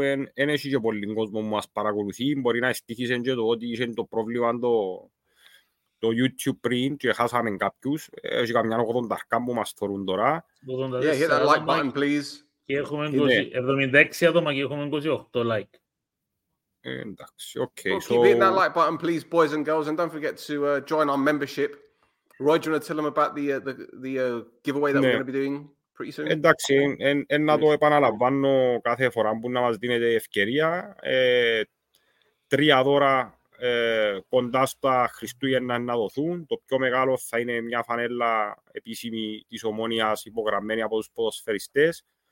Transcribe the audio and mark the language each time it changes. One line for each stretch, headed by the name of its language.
Greek: Εν έχει και πολύ κόσμο που μας παρακολουθεί. Μπορεί να στήχησε και το ότι είχε το πρόβλημα το YouTube πριν και χάσαμε κάποιους. Έχει καμιά 80 αρκά που μας θωρούν τώρα.
English: Yeah, hit that like button, please.
Greek: Και έχουμε 76 άτομα και έχουμε 28 like. Εντάξει, okay.
English: So keep hitting that like button, please, boys and girls, and don't forget to join our membership. Roy, do you want to tell them about the giveaway that we're going to be doing pretty soon?
Greek: Εντάξει, να το επαναλαμβάνω κάθε φορά που να μας δίνετε ευκαιρία. 3 δώρα κοντά στα Χριστούγεννα να δοθούν. Το πιο μεγάλο θα είναι μια φανέλα επίσημη της Ομόνοιας υπογραμμένη από τους ποδοσφαιριστές.